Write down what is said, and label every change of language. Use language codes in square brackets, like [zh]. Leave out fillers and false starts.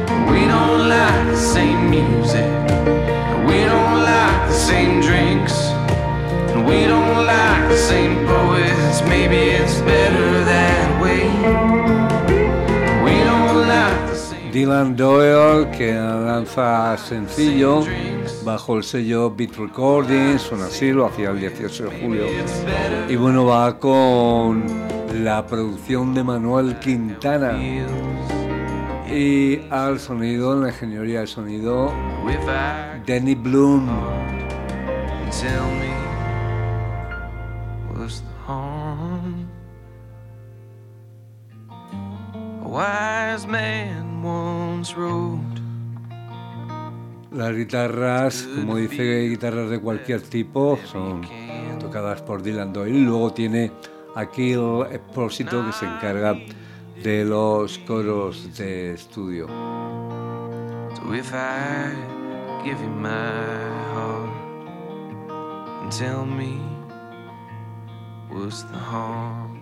[en] We don't like the same music, we don't like the same drinks, and we don't like the same poets. Maybe it's better that way. We don't like the same. [es] Dylan Doyle, que lanza sencillo bajo el sello Beat Recordings, suena así, lo hacía el 18 de julio. Y bueno, va con la producción de Manuel Quintana. Y al sonido, en la ingeniería de sonido, Danny Bloom. [en] Tell me, what's the harm? A wise man once wrote. [es] Las guitarras, como dice, guitarras de cualquier tipo, son tocadas por Dylan Doyle. Luego tiene aquí el Espósito, que se encarga de los coros de estudio. [en] So if I give you my heart, and tell me, what's the harm?